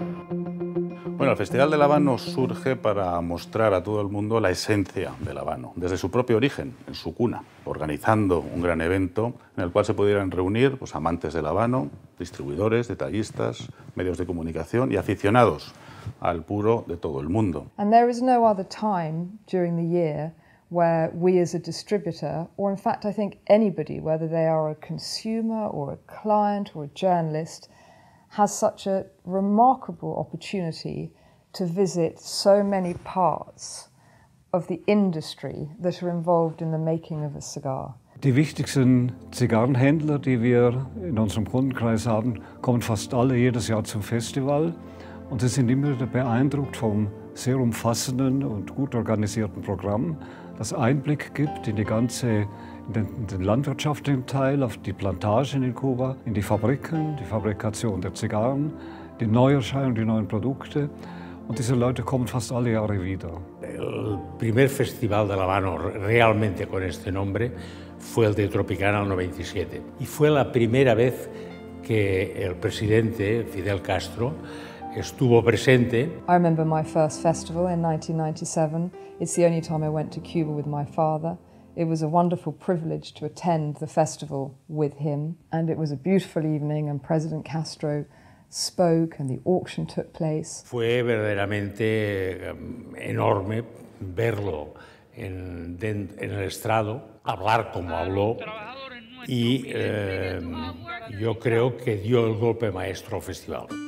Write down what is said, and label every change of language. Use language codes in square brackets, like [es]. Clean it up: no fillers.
[es] Bueno, el Festival de La Habana surge para mostrar a todo el mundo la esencia de La Habana, desde su propio origen, en su cuna, organizando un gran evento en el cual se pudieran reunir pues, amantes de La Habana, distribuidores, detallistas, medios de comunicación y aficionados al puro de todo el mundo. [en] And there is no other time during the year where we as a distributor, or in fact I think anybody, whether they are a consumer or a client or a journalist, has such a remarkable opportunity to visit so many parts of the industry that are involved in the making of a cigar. [de] Die wichtigsten Zigarrenhändler, die wir in unserem Kundenkreis haben, kommen fast alle jedes Jahr zum Festival und sie sind immer wieder beeindruckt vom sehr umfassenden und gut organisierten Programm, das Einblick gibt in die ganze den landwirtschaftlichen Teil, auf die Plantagen in Kuba, in die Fabriken, die Fabrikation der Zigarren, die Neuerscheinungen, die neuen Produkte. Und diese Leute kommen fast alle Jahre wieder. [es] El primer Festival de La Habana realmente con este nombre fue el de Tropicana el 97. Y fue la primera vez que el presidente Fidel Castro estuvo presente. [en] I remember my first festival in 1997. It's the only time I went to Cuba with my father. It was a wonderful privilege to attend the festival with him, and it was a beautiful evening, and President Castro spoke, and the auction took place. [es] Fue verdaderamente enorme verlo en el estrado, hablar como habló, y yo creo que dio el golpe maestro al festival.